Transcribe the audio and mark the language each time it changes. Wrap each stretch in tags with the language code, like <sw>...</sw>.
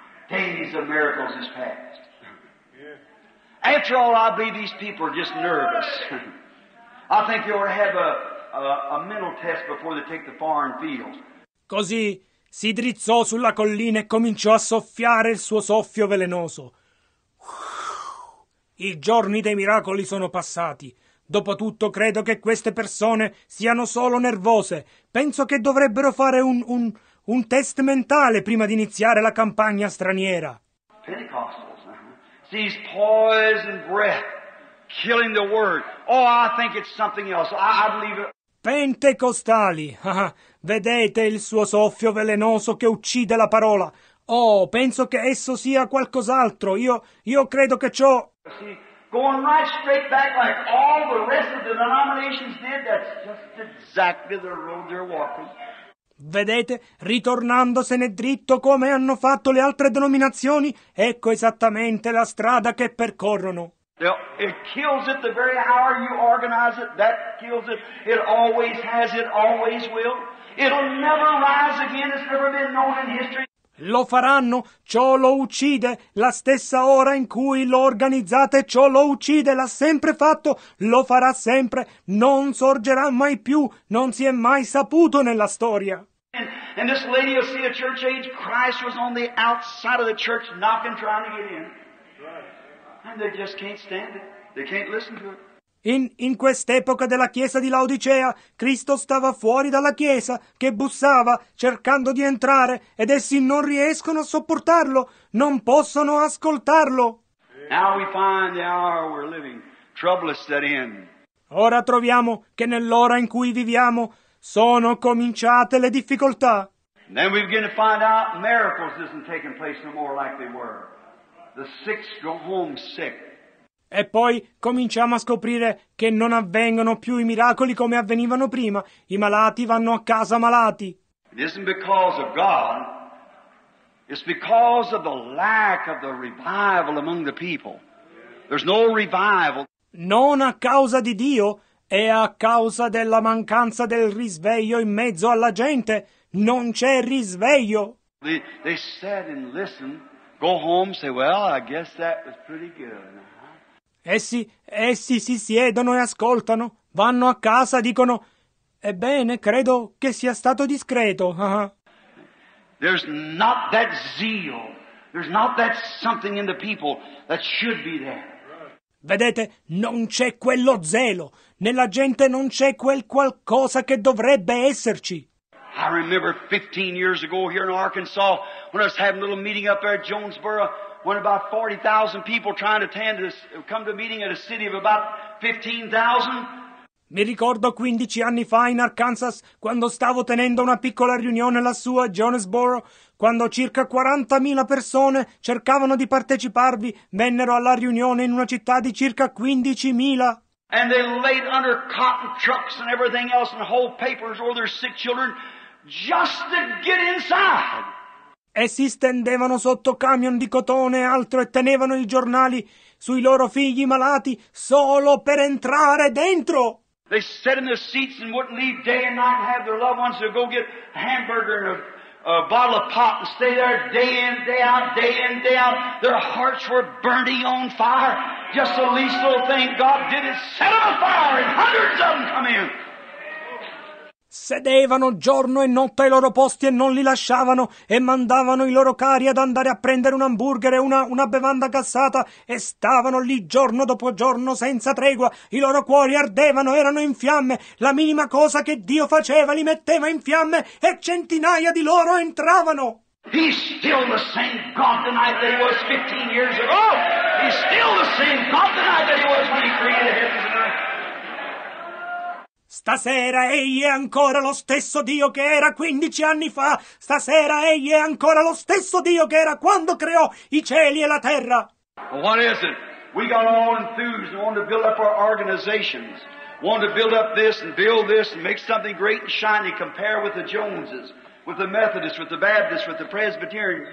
<en>Days of miracles is past. After all, I believe these people are just nervous. I think you ought to have a mental test before they take the foreign field.</en> <it>Così si drizzò sulla collina e cominciò a soffiare il suo soffio velenoso. I giorni dei miracoli sono passati. Dopotutto credo che queste persone siano solo nervose. Penso che dovrebbero fare un test mentale prima di iniziare la campagna straniera.</it> <en>Pentecostals, sees poison breath, killing the word. Oh, I think it's something else. I believe it.</en> <it>Pentecostali, vedete il suo soffio velenoso che uccide la parola. Oh, penso che esso sia qualcos'altro. Io credo che ciò.</it> <en>See, going right straight back like all the rest of the denominations did, that's just exactly the road they're walking.</en> <it>Vedete, ritornandosene dritto come hanno fatto le altre denominazioni, ecco esattamente la strada che percorrono.</it> <en>It kills it the very hour you organize it, that kills it. It always has, it always will. It'll never rise again, it's never been known in history.</en> <it>Lo faranno, ciò lo uccide, la stessa ora in cui lo organizzate, ciò lo uccide, l'ha sempre fatto, lo farà sempre, non sorgerà mai più, non si è mai saputo nella storia.</it> <en>And this lady will see a church age, Christ was on the outside of the church knocking, trying to get in. And they just can't stand it, they can't listen to it.</en> <it>In quest'epoca della chiesa di Laodicea, Cristo stava fuori dalla chiesa, che bussava, cercando di entrare, ed essi non riescono a sopportarlo, non possono ascoltarlo.</it> <en>Now we find the hour we're living. Trouble is set in.</en> <it>Ora troviamo che nell'ora in cui viviamo sono cominciate le difficoltà.</it> <en>And then we begin to find out miracles isn't taking place no more like they were. The sick go home sick.</en> <it>E poi cominciamo a scoprire che non avvengono più i miracoli come avvenivano prima. I malati vanno a casa malati.</it> <en>It isn't because of God. It's because of the lack of the revival among the people. There's no revival.</en> <it>Non a causa di Dio, è a causa della mancanza del risveglio in mezzo alla gente. Non c'è risveglio.</it> <en>They sat and listened, go home, say, well, I guess that was pretty good.</en> <it>Essi si siedono e ascoltano, vanno a casa, dicono, ebbene, credo che sia stato discreto.</it> <en>There's not that zeal, there's not that something in the people that should be there.</en> <it>Vedete, non c'è quello zelo, nella gente non c'è quel qualcosa che dovrebbe esserci.</it> <en>I remember 15 years ago here in Arkansas, when I was having a little meeting up there at Jonesboro, when about 40,000 people trying to attend this, come to a meeting at a city of about 15,000.</en> <it>Mi ricordo 15 anni fa in Arkansas, quando stavo tenendo una piccola riunione lassù a Jonesboro, quando circa 40,000 persone cercavano di parteciparvi, vennero alla riunione in una città di circa 15,000.</it> <en>And they laid under cotton trucks and everything else and whole papers over their sick children just to get inside.</en> <it>E si stendevano sotto camion di cotone e altro e tenevano i giornali sui loro figli malati solo per entrare dentro.</it> <en>They sat in their seats and wouldn't leave day and night and have their loved ones to go get a hamburger and a bottle of pop and stay there day in, day out, day in, day out. Their hearts were burning on fire. Just the least little thing God did it, set them on fire and hundreds of them come in.</en> <it>sedevano giorno e notte ai loro posti e non li lasciavano e mandavano i loro cari ad andare a prendere un hamburger e una bevanda gassata e stavano lì giorno dopo giorno senza tregua. I loro cuori ardevano, erano in fiamme. La minima cosa che Dio faceva li metteva in fiamme e centinaia di loro entravano.</it> <en>He's still the same God tonight that he was 15 years ago. He's still the same God tonight that he was when he created heaven.</en> <it>Stasera egli è ancora lo stesso Dio che era 15 anni fa. Stasera egli è ancora lo stesso Dio che era quando creò i cieli e la terra.</it> <en>What is it? We got all enthused and wanted to build up our organizations. Wanted to build up this and build this and make something great and shiny. Compare with the Joneses, with the Methodists, with the Baptists, with the Presbyterians.</en>